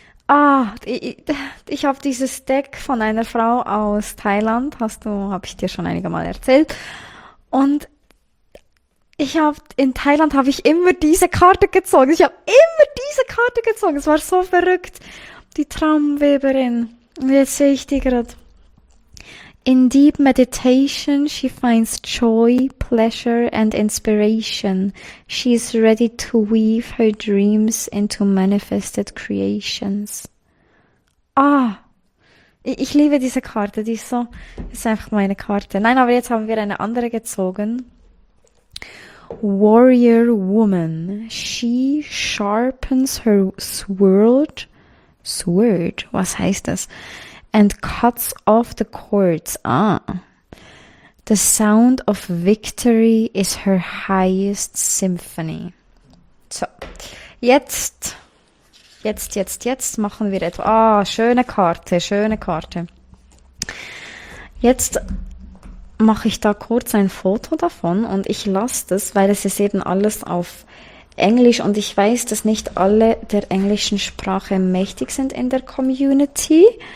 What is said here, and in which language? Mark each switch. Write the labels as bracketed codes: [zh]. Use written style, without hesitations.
[de] Ah, ich habe dieses Deck von einer Frau aus Thailand, habe ich dir schon einige Mal erzählt. Und in Thailand habe ich immer diese Karte gezogen. Ich habe immer diese Karte gezogen. Es war so verrückt. Die Traumweberin. Und jetzt sehe ich die gerade. [en] In deep meditation, she finds joy, pleasure and inspiration. She is ready to weave her dreams into manifested creations. [de] Ah, ich liebe diese Karte. Die ist so, ist einfach meine Karte. Nein, aber jetzt haben wir eine andere gezogen. [en] Warrior woman, she sharpens her sword. Sword, [de] was heißt das? [en] And cuts off the cords. Ah. The sound of victory is her highest symphony. [de] So, jetzt machen wir etwas. Ah, schöne Karte, schöne Karte. Jetzt mache ich da kurz ein Foto davon und ich lasse das, weil es ist eben alles auf Englisch und ich weiß, dass nicht alle der englischen Sprache mächtig sind in der Community.